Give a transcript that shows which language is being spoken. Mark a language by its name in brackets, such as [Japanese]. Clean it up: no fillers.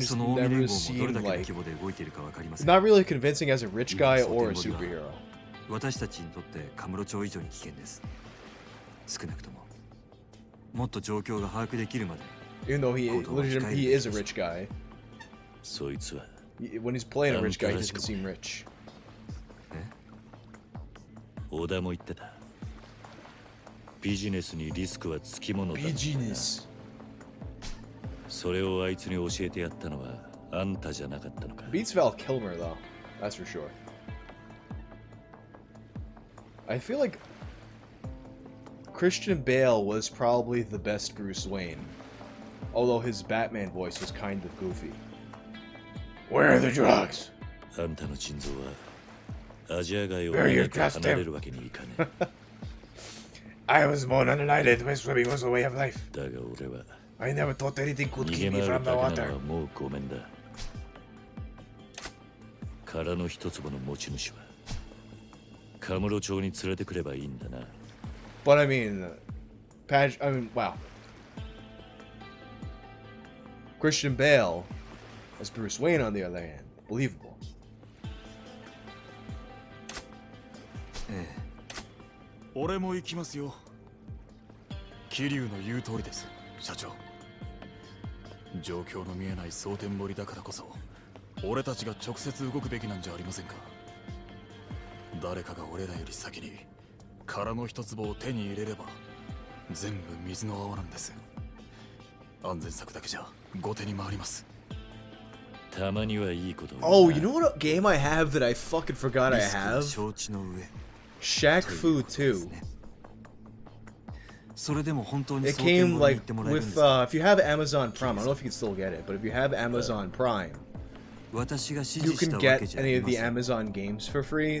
[Japanese] そのオミレンゴもどれだけの規模で動いているかわかりません。 [English] Not really convincing as a rich guy or a superhero。 [Japanese] 私たちにとってカムロ町以上に危険です。少なくとも、もっと状況が把握できるまで。 [English] Even though he is a rich guy。 [Japanese] そいつは。 [English] When he's playing a rich guy, he doesn't seem rich。 [Japanese] え？オダも言ってた。ビジネスにリスクはつきものだ。ビジネス。それをあいつに教えてやったのはあんたじゃなかったのか。 [English] Beats Val Kilmer though, that's for sure. I feel like Christian Bale was probably the best Bruce Wayne, although his Batman voice was kind of goofy. Where are the drugs? [Japanese] あんたの心臓はアジア街を離れるわけにいかねえ。 [English] I was born on an island where swimming was a way of life. [Japanese] だが俺は、 [English] I never thought anything could keep me from the water. [Japanese] もうごめんだ。殻の一粒の持ち主は、カムロ町に連れてくればいいんだな。 [English] But I mean, wow. Christian Bale as Bruce Wayne on the other hand, believable. [Japanese] ええ。俺も行きますよ。キリュウの言う通りです、社長。状況の見えない蒼天堀だからこそ、俺たちが直接動くべきなんじゃありませんか。誰かが俺らより先に殻の一粒を手に入れれば、全部水の泡なんです。安全策だけじゃ後手に回ります。たまにはいいこと。 [English] Oh, you know what game I have that I fucking forgot I have? [Japanese] 承知の上。 [English] Shaq Fu Two。 [Japanese] それでも本当に [English] It came like with if you have Amazon Prime, I don't know if you can still get it, but if you have Amazon Prime, you can get any of the Amazon games for free.